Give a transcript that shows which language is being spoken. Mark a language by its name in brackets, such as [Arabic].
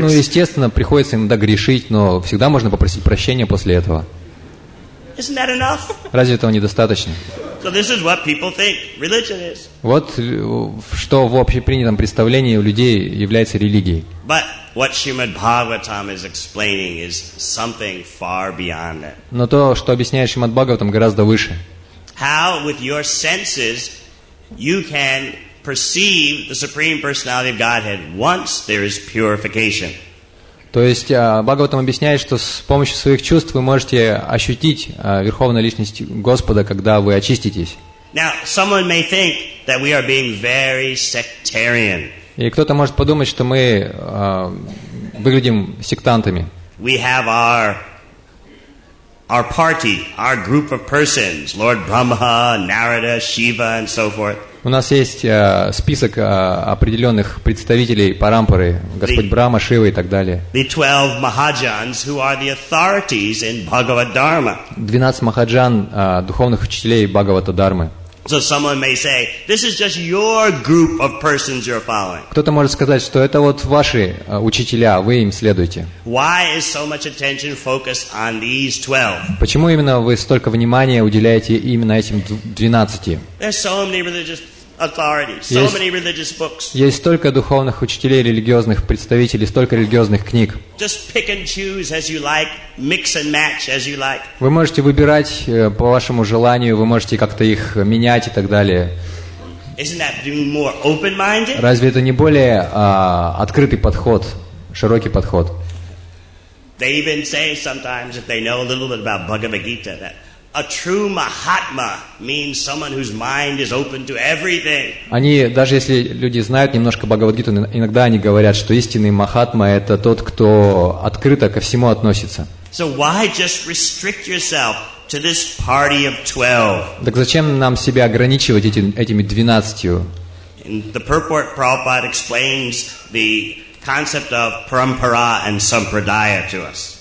[Russian] Ну, естественно, приходится иногда грешить, но всегда можно попросить прощения после этого. [English] Isn't that enough? [Russian] Разве этого недостаточно? [English] So this is what people think religion is. [Russian] Вот что в общепринятом представлении у людей является религией. [English] But what Srimad Bhagavatam is explaining is something far beyond that. [Russian] Но то, что объясняет Шримад Бхагаватам, гораздо выше. [English] How with your senses you can perceive the Supreme Personality of Godhead once there is purification. [Russian] То есть Бхагаватам объясняет, что с помощью своих чувств вы можете ощутить Верховную Личность Господа, когда вы очиститесь. [English] Now, someone may think that we are being very sectarian. [Russian] И кто-то может подумать, что мы выглядим сектантами. [English] We have our party, our group of persons, Lord Brahma, Narada, Shiva, and so forth. [Russian] У нас есть список определенных представителей парампары, Господь Брама, Шива и так далее. [English] The 12 Mahajans, who are the authorities in Bhagavad Dharma. [Russian] 12 Mahajan, духовных учителей Бхагавата Дхармы. [English] So someone may say, this is just your group of persons you're following. [Russian] Кто-то может сказать, что это вот ваши учителя, вы им следуете. [English] Why is so much attention focused on these 12? [Russian] Почему именно вы столько внимания уделяете именно этим 12? [English] There's so many religious authorities, so many religious books. [Russian] Есть столько духовных учителей, религиозных представителей, столько религиозных книг. [English] Just pick and choose as you like, mix and match as you like. [Russian] Вы можете выбирать по вашему желанию, вы можете как-то их менять и так далее. [English] Isn't that being more open-minded? [Russian] Разве это не более открытый подход, широкий подход? [English] They even say sometimes if they know a little bit about Bhagavad Gita that a true mahatma means someone whose mind is open to everything. [Russian] Они даже если люди знают немножко Бхагавад-гиту, иногда они говорят, что истинный махатма это тот, кто открыто ко всему относится. [English] So why just restrict yourself to this party of 12? [Russian] Так зачем нам себя ограничивать этими 12? [English] In the purport, Prabhupada explains the concept of parampara and sampradaya to us.